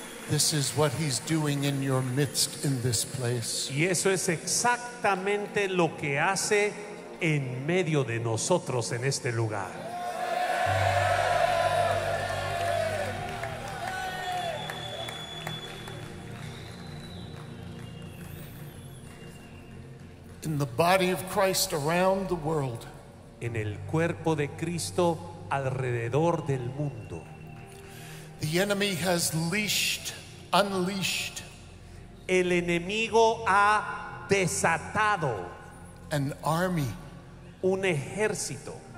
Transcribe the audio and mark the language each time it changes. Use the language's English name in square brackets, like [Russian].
[English] This is what he's doing in your midst in this place. [Spanish] Y eso es exactamente lo que hace en medio de nosotros en este lugar. [English] In the body of Christ around the world. [Spanish] En el cuerpo de Cristo alrededor del mundo. [English] The enemy has unleashed. [Spanish] El enemigo ha desatado [English] an army, [Spanish] un ejército,